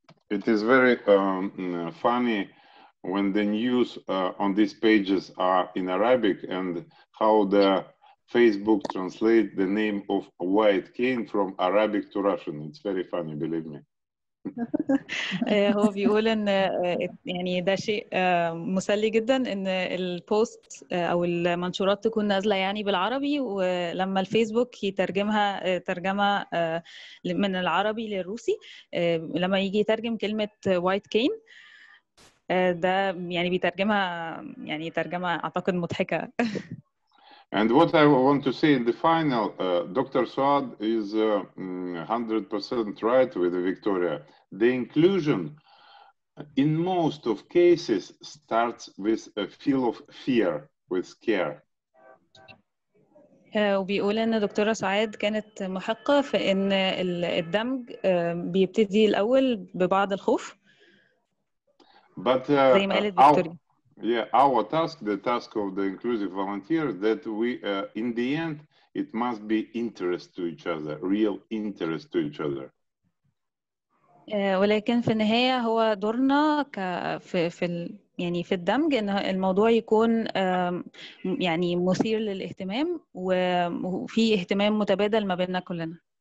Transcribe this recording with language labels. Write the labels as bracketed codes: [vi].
[en] It is very funny when the news on these pages are in Arabic and how the Facebook translate the name of White Cane from Arabic to Russian. It's very funny, believe me. [ar] هو بيقول ان يعني ده شيء مسلي جدا ان البوست او المنشورات تكون نازله يعني بالعربي ولما الفيسبوك يترجمها ترجمه من العربي للروسي لما يجي يترجم كلمه وايت كين ده يعني بيترجمها يعني ترجمه اعتقد مضحكه. [en] And what I want to say in the final, Dr. Suad is 100% right with Victoria. The inclusion in most of cases starts with a feel of fear, with scare. [ar] وبيقول ان دكتوره سعاد كانت محقه في ان الدمج بيبتدي الاول ببعض الخوف. [en] But [ar] زي ما قالت دكتوره. [en] Yeah, our task, the task of the inclusive volunteer, that we, in the end, it must be interest to each other, real interest to each other. [ar] ولكن في النهاية هو دورنا في يعني في الدمج إن الموضوع يكون يعني مثير للاهتمام وفي اهتمام متبادل ما بيننا كلنا.